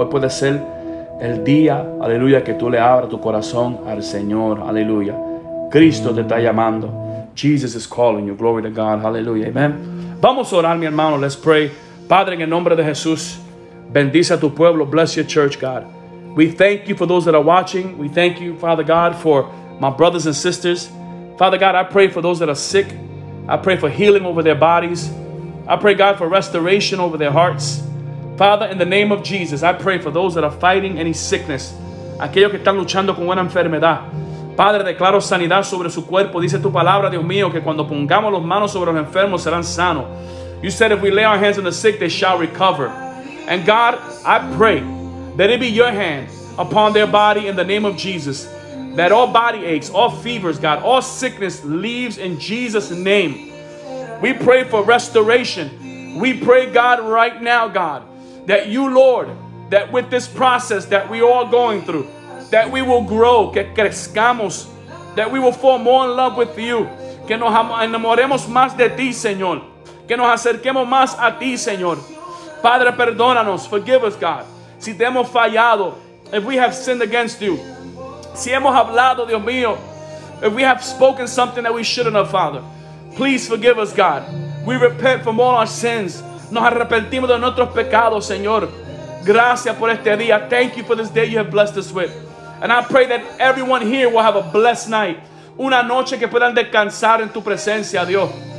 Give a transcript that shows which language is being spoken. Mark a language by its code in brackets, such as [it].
[es] Hoy puede ser el día, aleluya, que tú le abras tu corazón al Señor. [en] Aleluya. [es] Cristo te está llamando. [en] Jesus is calling you. Glory to God. Hallelujah. Amen. [es] Vamos a orar, mi hermano. [en] Let's pray. [es] Padre, en el nombre de Jesús, bendice a tu pueblo. [en] Bless your church, God. We thank you for those that are watching. We thank you, Father God, for my brothers and sisters. Father God, I pray for those that are sick. I pray for healing over their bodies. I pray, God, for restoration over their hearts. Father, in the name of Jesus, I pray for those that are fighting any sickness. [es] Aquellos que están luchando con una enfermedad. Padre, declaro sanidad sobre su cuerpo. Dice tu palabra, Dios mío, que cuando pongamos las manos sobre los enfermos serán sanos. [en] You said if we lay our hands on the sick, they shall recover. And God, I pray that it be your hand upon their body in the name of Jesus. That all body aches, all fevers, God, all sickness leaves in Jesus' name. We pray for restoration. We pray, God, right now, God, that you, Lord, that with this process that we are going through, that we will grow, [es] que crezcamos, [en] that we will fall more in love with you, [es] que nos enamoremos más de ti, Señor, que nos acerquemos más a ti, Señor. Padre, perdónanos, [en] forgive us, God, [es] si te hemos fallado, [en] if we have sinned against you, [es] si hemos hablado, Dios mío, [en] if we have spoken something that we shouldn't have, Father, please forgive us, God. We repent from all our sins. [es] Nos arrepentimos de nuestros pecados, Señor. Gracias por este día. [en] Thank you for this day you have blessed us with. And I pray that everyone here will have a blessed night. [es] Una noche que puedan descansar en tu presencia, Dios.